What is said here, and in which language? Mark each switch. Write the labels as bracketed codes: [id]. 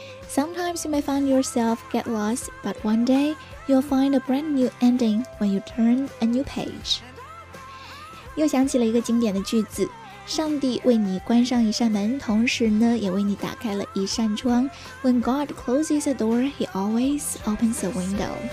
[en] Sometimes you may find yourself get lost, but one day you'll find a brand new ending when you turn a new page。 [zh] 又想起了一个经典的句子，上帝为你关上一扇门，同时呢也为你打开了一扇窗。 [en] When God closes a door, he always opens a window.